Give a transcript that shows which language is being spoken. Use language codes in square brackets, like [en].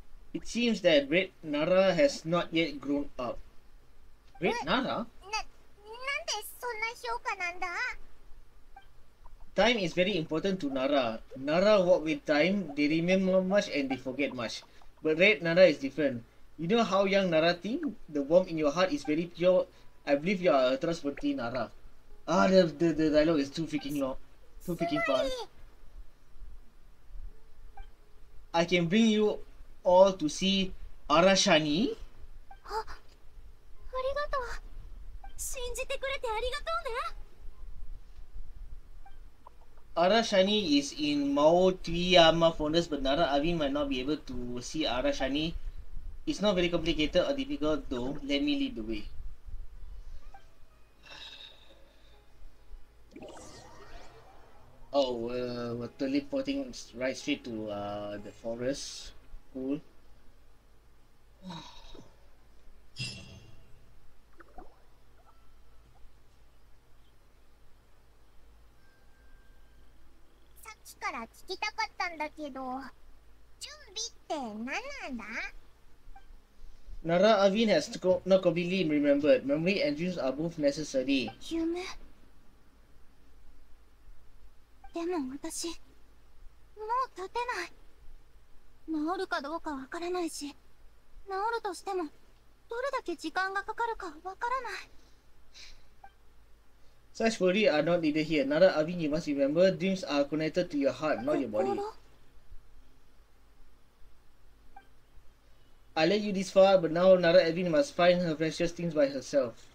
[en] It seems that Red Nara has not yet grown up. Red Nara? [ja] なんでそんな評価なんだ? [en] Time is very important to Nara. Nara walk with time, they remember much and they forget much. But Red Nara is different. You know how young Nara think? The warmth in your heart is very pure. I believe you are a trustworthy Nara. Ah, the dialogue is too freaking long. Too freaking fast. I can bring you... All to see Arashani? [ja] あ、ありがとう。信じてくれてありがとうね。 [en] Arashani is in Mao Tuiyama Forest, but Nara Avin might not be able to see Arashani. It's not very complicated or difficult though. Let me lead the way. Oh, we're teleporting right straight to the forest. [ja] さっきから聞きたかったんだけど、準備って何なんだ？ [en] Nara Avin has not completely remembered. Memory and dreams are both necessary. [ja] 夢？でも私、もう立てない。治るかどうかわからないし、治るとしてもどれだけ時間がかかるかわからない。 [en] Such worry are not needed here. Nara Avin, you must remember dreams are connected to your heart, not your body. I led you this far, but now Nara Avin must find her precious things by herself.